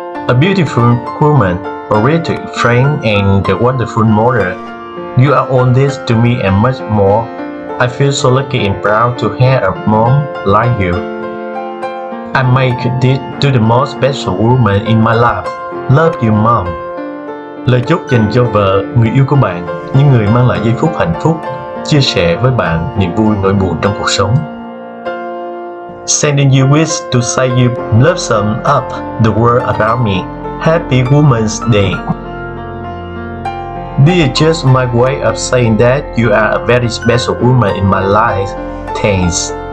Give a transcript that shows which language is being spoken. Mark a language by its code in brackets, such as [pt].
[en] A beautiful woman, a terrific friend, and a wonderful mother. You are all this to me and much more. I feel so lucky and proud to have a mom like you. I make this to the most special woman in my life. Love you, Mom. [vi] Lời chúc dành cho vợ, người yêu của bạn, những người mang lại giây phút hạnh phúc, chia sẻ với bạn niềm vui nỗi buồn trong cuộc sống. [en] Sending you wish to say you blossom up the world around me. Happy Woman's Day. This is just my way of saying that you are a very special woman in my life. Thanks.